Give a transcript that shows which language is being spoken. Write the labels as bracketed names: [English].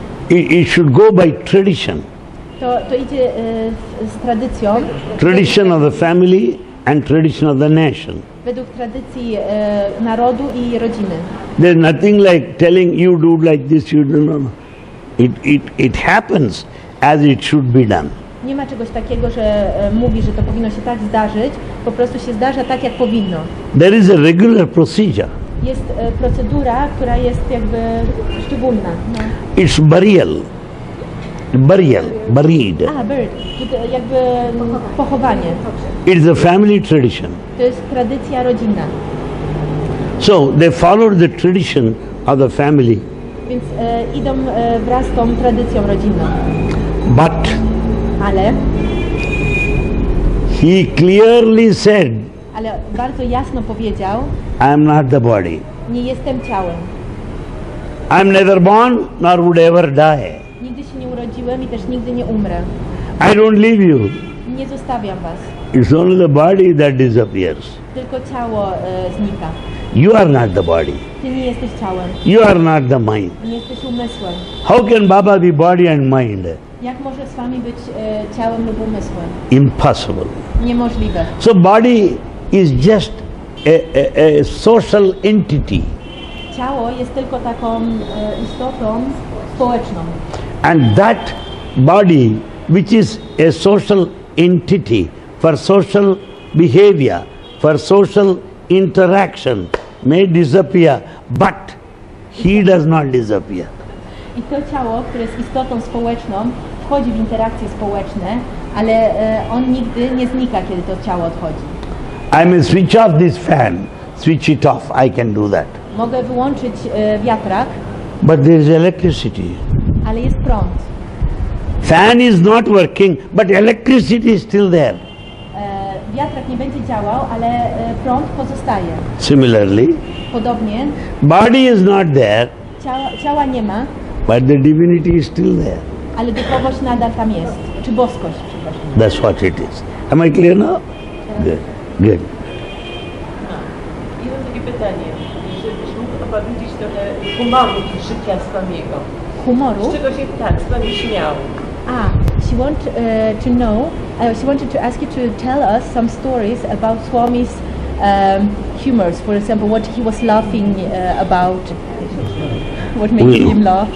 [English] It should go by tradition. [Polish] To idzie z tradycją. [English] Tradition of the family and tradition of the nation. [Polish] Według tradycji narodu i rodziny. [English] There's nothing like telling you do like this, you do not. It happens. as it should be done. [Polish] Nie ma czegoś takiego, że mówi, że to powinno się tak zdarzyć, po prostu się zdarza tak, jak powinno. [English] There is a regular procedure. [Polish] Jest procedura, która jest jakby szczególna. No. [English] It's burial. Burial, buried. Ah, buried. [Polish] Jakby pochowanie. [English] It's a family tradition. [Polish] To jest tradycja rodzinna. [English] So they followed the tradition of the family. [Polish] Więc idą wraz z tą tradycją rodzinną. [English] But [Polish] ale [English] he clearly said, [Polish] ale bardzo jasno powiedział, [English] I am not the body. [Polish] Nie jestem ciałem. [English] I am neither born nor would ever die. [Polish] Nigdy się nie urodziłem i też nigdy nie umrę. [English] I don't leave you. [Polish] Nie zostawiam was. [English] It's only the body that disappears. [Polish] Tylko ciało znika. [English] You are not the body. [Polish] Ty nie jesteś ciałem. [English] You are not the mind. [Polish] Nie jesteś umysłem. [English] How can Baba be body and mind? [Polish] Jak może z wami być ciałem lub umysłem? [English] Impossible. [Polish] Niemożliwe. [English] So body is just a social entity. [Polish] Ciało jest tylko taką istotą społeczną. [English] And that body, which is a social entity for social behavior, for social interaction, may disappear, but he does not disappear. [Polish] I to ciało, które jest istotą społeczną, wchodzi w interakcje społeczne, ale on nigdy nie znika, kiedy to ciało odchodzi. [English] I may switch off this fan, switch it off, I can do that. [Polish] Mogę wyłączyć wiatrak. [English] But there is electricity. [Polish] Ale jest prąd. [English] Fan is not working, but electricity is still there. [Polish] Wiatrak nie będzie działał, ale prąd pozostaje. [English] Similarly, [Polish] podobnie, [English] body is not there, [Polish] ciała nie ma, [English] but the divinity is still there. [Polish] Ale duchowość nadal tam jest, czy boskość, przepraszam. [English] That's what it is. Am I clear now? Good. Good. [Polish] No. I mam takie pytanie, żebyś mógł opowiedzieć trochę humoru życia swamiego. Humoru? Z czego się tak, swami śmiał. [English] Ah, she wants to know, she wanted to ask you to tell us some stories about Swami's humors. For example, what he was laughing about, what made him laugh.